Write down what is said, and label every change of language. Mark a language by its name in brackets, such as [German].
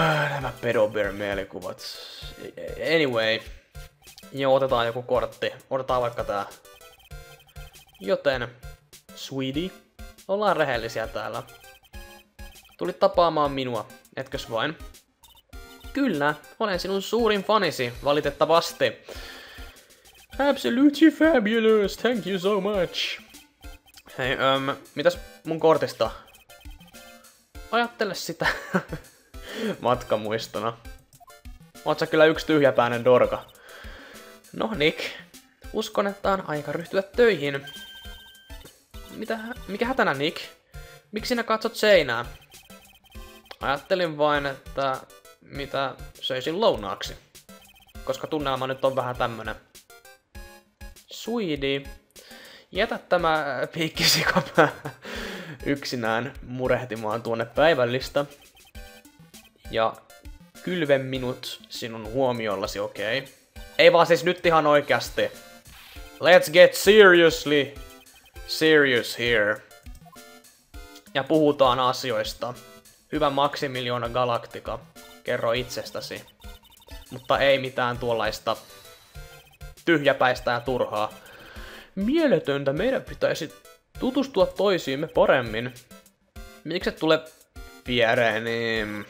[Finnish] Nämä pedobear-mielikuvat. Anyway, joo, otetaan joku kortti. Otetaan vaikka tää. Joten, sweetie, ollaan rehellisiä täällä. Tulit tapaamaan minua, etkös vain? Kyllä, olen sinun suurin fanisi, valitettavasti. [English] Absolutely fabulous, thank you so much. [Finnish] Hei, mitäs mun kortista? Ajattele sitä matkamuistona. Oot sä kyllä yksi tyhjäpäinen dorka. No Nick, uskon, että on aika ryhtyä töihin. Mitä, mikä hätänä Nick? Miksi sinä katsot seinää? Ajattelin vain, että mitä söisin lounaaksi. Koska tunnelma nyt on vähän tämmönen. Sweetie, jätä tämä piikkisikapää yksinään murehtimaan tuonne päivällistä. Ja kylve minut sinun huomiollasi, okei? Okay. Ei vaan siis nyt ihan oikeasti. [English] Let's get seriously serious here. [Finnish] Ja puhutaan asioista. Hyvä Maximilian Galactica, kerro itsestäsi. Mutta ei mitään tuollaista tyhjäpäistä ja turhaa. Mieletöntä, meidän pitäisi tutustua toisiimme paremmin. Miksi et tule viereeni?